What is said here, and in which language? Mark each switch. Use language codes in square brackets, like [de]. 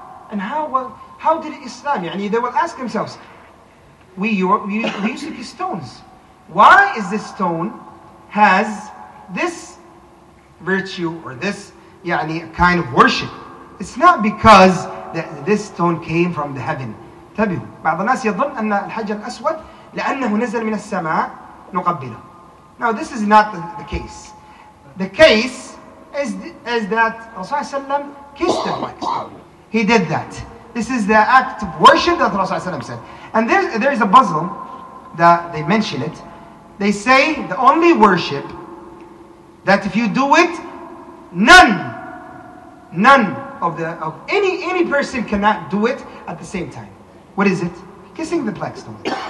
[en] And how did Islam, يعني, they will ask themselves, we used to kiss stones. Why is this stone has this virtue or this يعني, kind of worship? It's not because that this stone came from the heaven. [ar] تبهوا. بعض الناس يظن أن الحجر الأسود لأنه نزل من السماء نقبله. [en] Now this is not the case. The case is that Rasulullah sallam kissed the black stone. He did that. This is the act of worship that Rasulullah sallam said. And there is a Muslim that they mention it. They say the only worship that if you do it, none of any person cannot do it at the same time. What is it? Kissing the black stone.